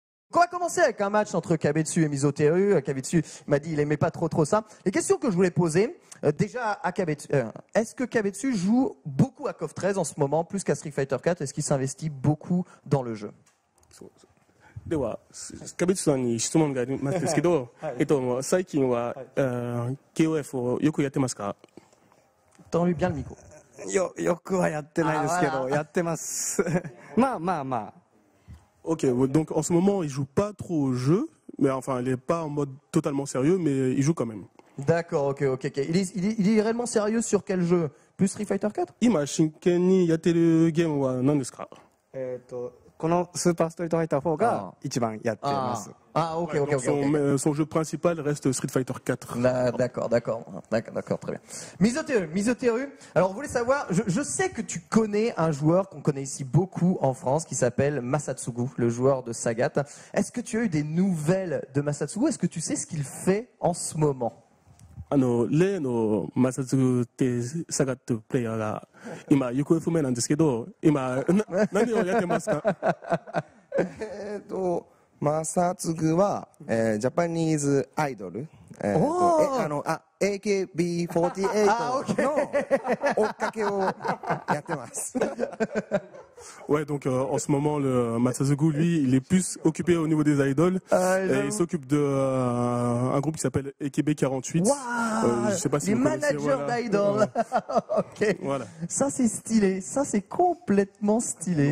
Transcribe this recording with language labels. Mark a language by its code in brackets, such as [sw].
[fr] qu'on va commencer avec un match entre Kabetsu et Misoteru. Kabetsu m'a dit qu'il n'aimait pas trop ça. Les questions que je voulais poser, déjà à Kabetsu, est-ce que Kabetsu joue beaucoup à KOF 13 en ce moment, plus qu'à Street Fighter 4? Est-ce qu'il s'investit beaucoup dans le jeu? [ja] では、カベツさんに質問がありますけど、最近は、KOF をよくやってますか？トミビアンミコ。よくはやってないですけど、やってます。まあまあまあ。 [fr] OK, donc en ce moment, il joue pas trop au jeu, mais enfin, il est pas en mode totalement sérieux, mais il joue quand même. D'accord, OK. Il est réellement sérieux sur quel jeu? Plus Street Fighter 4? [ja] 今、真剣にやってるゲームは何ですか？このスーパーストリートファイター4が一番やっています。 [fr] OK. Son jeu principal reste Street Fighter 4. D'accord, très bien. Misoteru, alors vous voulez savoir, je sais que tu connais un joueur qu'on connaît ici beaucoup en France qui s'appelle Masatsugu, le joueur de Sagat. Est-ce que tu as eu des nouvelles de Masatsugu? Est-ce que tu sais ce qu'il fait en ce moment? [ja] あの例のマサツグってサガットプレイヤーが今行方不明なんですけど今何をやってますか？マサツグは、ジャパニーズアイドル、AKB48 の追っかけをやってます。 [fr] Ouais, donc en ce moment, le Masatsugu, lui, il est plus occupé au niveau des idoles. Et il s'occupe d'un groupe qui s'appelle EKB 48. Je sais pas si les managers d'idoles. Voilà. Ça, c'est stylé. Ça, c'est complètement stylé.